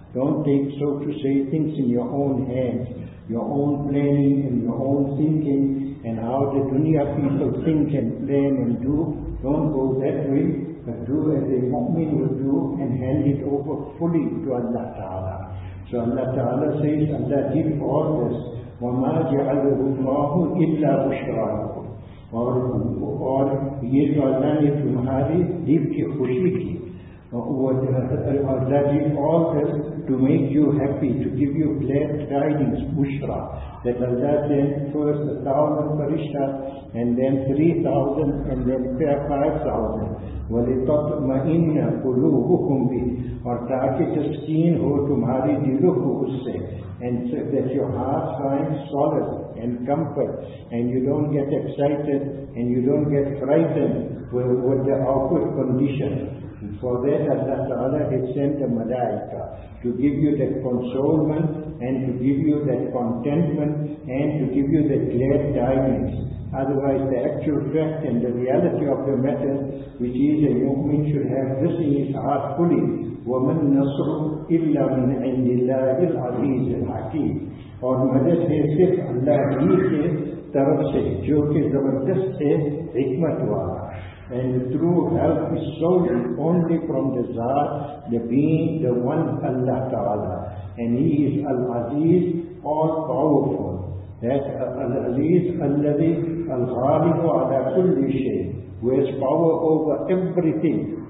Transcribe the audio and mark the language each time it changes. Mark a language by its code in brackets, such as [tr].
[en] Don't take, so to say, things in your own hands, your own planning and your own thinking, and how the dunya people think and plan and do. Don't go that way, but do as a mu'min will do and hand it over fully to Allah Ta'ala. So Allah Ta'ala says, Allah did all this. [ar] وَمَا جَعَلُهُ اللَّهُ إِلَّا بُشْرَىٰ لَكُمْ. [ur] اور یہ تو اللہ نے تمہارے دل کی خوشی کی. [en] Allah did all this to make you happy, to give you glad tidings, بُشْرَىٰ. That Allah sent first 1,000 فرشتہ and then 3,000 and then 5,000. [ar] وَلِتَطْمَئِنَّ قُلُوبُكُمْ بِهِ. [ur] اور تاکہ تسکین ہو تمہاری دلوں کو اس سے. [en] And so that your heart finds solace and comfort, and you don't get excited and you don't get frightened with the awkward condition. And for that Allah Ta'ala has sent the malaika to give you that consolement and to give you that contentment and to give you that glad tidings. Otherwise the actual fact and the reality of the matter, which is a mu'min should have this in his heart fully, [ar] وَمَنْ نَصْرُ إِلَّا مِنْ عِنْدِ اللَّهِ الْعَزِيزِ الْحَكِيمِ. [ur] اور مدد ہے صرف اللہ ہی کے طرف سے جو کہ زبردست ہے حکمت والا. [en] And the true help is solely only from the Zaat, the being, the one Allah Ta'ala. And He is Al-Aziz, all-powerful. That Al-Aziz, Al-Ladhi, Al-Ghalibu ala kulli shay, who has power over everything.